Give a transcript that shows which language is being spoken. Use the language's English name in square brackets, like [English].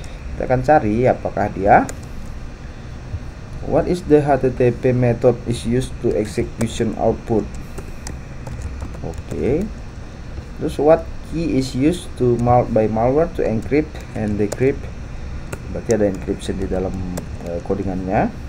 [Indonesian] Kita akan cari apakah dia. [English] What is the HTTP method is used to execution output? Oke. [Indonesian] Terus [English] what key is used to by malware to encrypt and decrypt? [Indonesian] Berarti ada encryption di dalam codingannya.